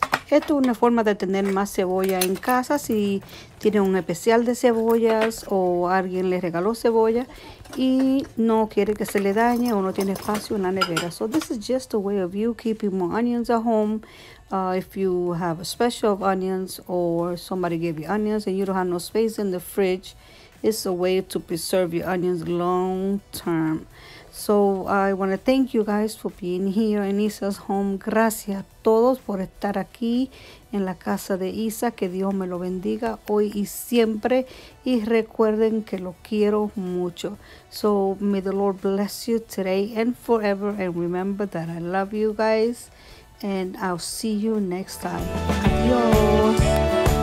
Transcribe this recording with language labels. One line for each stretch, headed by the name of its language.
Spanish: Esto es una forma de tener más cebolla en casa. Si tiene un especial de cebollas o alguien le regaló cebolla y no quiere que se le dañe o no tiene espacio en la nevera.
English: So this is just a way of you keeping more onions at home. If you have a special of onions or somebody gave you onions and you don't have no space in the fridge, it's a way to preserve your onions long term. So I want to thank you guys for being here in Isa's home.
Spanish: Gracias a todos por estar aquí en la casa de Isa. Que Dios me lo bendiga hoy y siempre. Y recuerden que lo quiero mucho.
English: So may the Lord bless you today and forever. And remember that I love you guys. And I'll see you next time. Adiós.